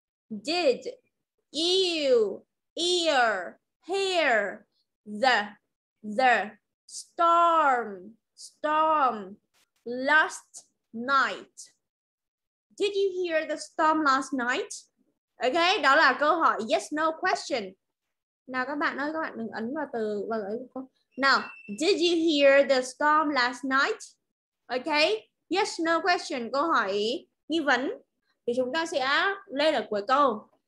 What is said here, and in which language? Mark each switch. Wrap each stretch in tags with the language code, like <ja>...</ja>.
<en>Did you hear the storm last night? Did you hear the storm last night?</en> <vi>Okay, đó là câu hỏi yes no question. Nào các bạn ơi, các bạn đừng ấn vào từ và ấy.</vi> <en>Now, did you hear the storm last night?</en> <vi>Okay, yes no question, câu hỏi nghi vấn thì chúng ta sẽ lên ở cuối câu.</vi>